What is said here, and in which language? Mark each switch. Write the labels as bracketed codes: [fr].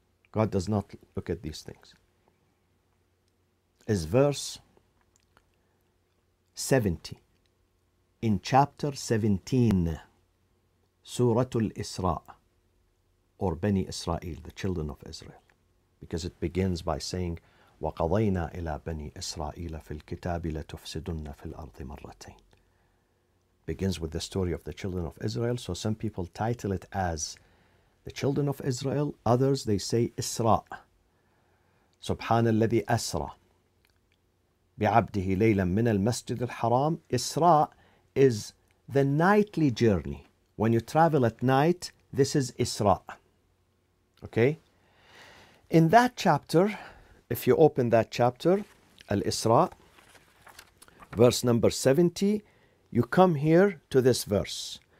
[en] God does not look at these things. Is verse 70 in chapter 17, Surah Al-Isra, or Bani Israel, the children of Israel, because it begins by saying, [ar] وَقَضَيْنَا إِلَىٰ بَنِي إِسْرَائِيلَ فِي الْكِتَابِ لَتُفْسِدُنَّ فِي الْأَرْضِ مَرَّتَيْنَ. [en] Begins with the story of the children of Israel. So some people title it as the children of Israel. Others, they say Isra. [ar] سبحان الذي أسرى بعبده ليلا من المسجد الحرام. [en] Isra is the nightly journey. When you travel at night, this is Isra. Okay? In that chapter, if you open that chapter, Al-Isra, verse number 70, you come here to this verse.